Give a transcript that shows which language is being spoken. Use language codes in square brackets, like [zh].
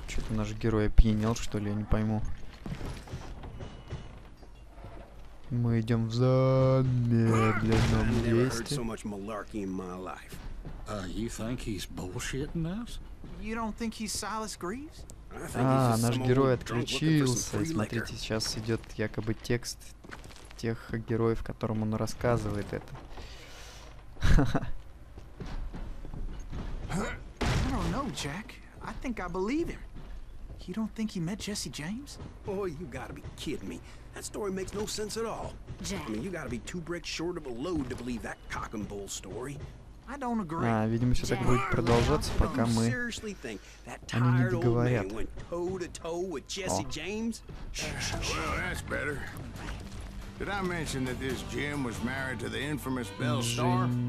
[ru] Наш герой опьянел, что ли, я не пойму. Мы идем в замедленном месте. [en] So much malarkey in my life. You think he's bullshitting us? You don't think he's Silas Greaves? [ru] А, наш герой отключился. Смотрите, сейчас идет якобы текст тех героев, которым он рассказывает это. [en] I don't know, Jack. I think I believe him. You don't think he met Jesse James? Oh, you gotta be kidding me. That story makes no sense at all. Jack. I mean, you gotta be two bricks short of a load to believe that cock and bull story. I don't agree. [ru] А, видимо, все так будет продолжаться, пока мы... Они не договорят. [en] Went toe-to-toe with Jesse James? Well, that's better. Did I mention that this Jim was married to the infamous Belle Star?